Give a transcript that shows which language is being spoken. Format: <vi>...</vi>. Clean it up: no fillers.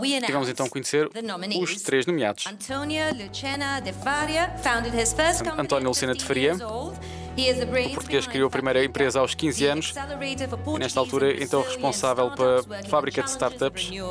<pt>Vamos então conhecer os três nomeados.</pt> <en>António Lucena de Faria founded his first company.</en> <pt>António Lucena de Faria, o português, criou a primeira empresa aos 15 anos e nesta altura então responsável pela fábrica de startups.</pt>